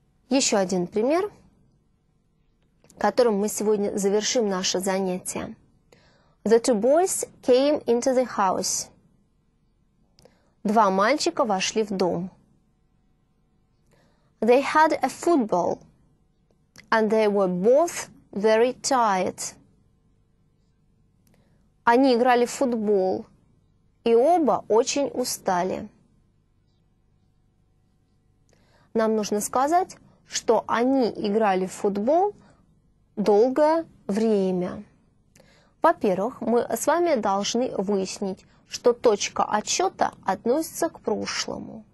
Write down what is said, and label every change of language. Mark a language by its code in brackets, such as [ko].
[ru] Еще один пример, которым мы сегодня завершим наше занятие. [en] The two boys came into the house. [ru] Два мальчика вошли в дом. [en] They had a football, and they were both very tired. [ru] Они играли в футбол, и оба очень устали. Нам нужно сказать, что они играли в футбол долгое время. Во-первых, мы с вами должны выяснить, что точка отсчета относится к прошлому.